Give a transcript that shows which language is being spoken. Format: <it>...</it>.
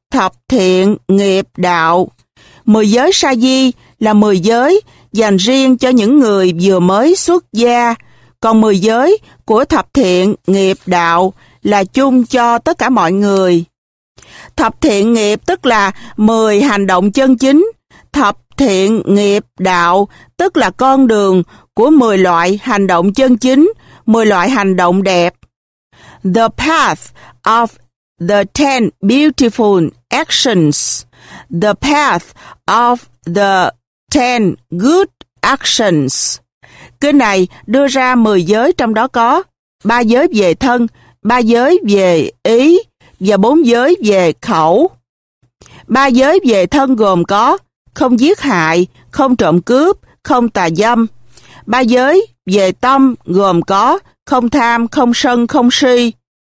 <vi>thập thiện nghiệp đạo. Mười giới sa di là mười giới dành riêng cho những người vừa mới xuất gia, còn mười giới của thập thiện nghiệp đạo là chung cho tất cả mọi người. Thập thiện nghiệp tức là mười hành động chân chính, thập thiện nghiệp đạo tức là con đường của mười loại hành động chân chính, mười loại hành động đẹp.</vi> <en>The path of the ten beautiful actions, the path of the ten good actions.</en> <vi>Kinh này đưa ra mười giới, trong đó có ba giới về thân, ba giới về ý và bốn giới về khẩu. Ba giới về thân gồm có không giết hại, không trộm cướp, không tà dâm. Ba giới về tâm gồm có không tham, không sân, không si.</vi>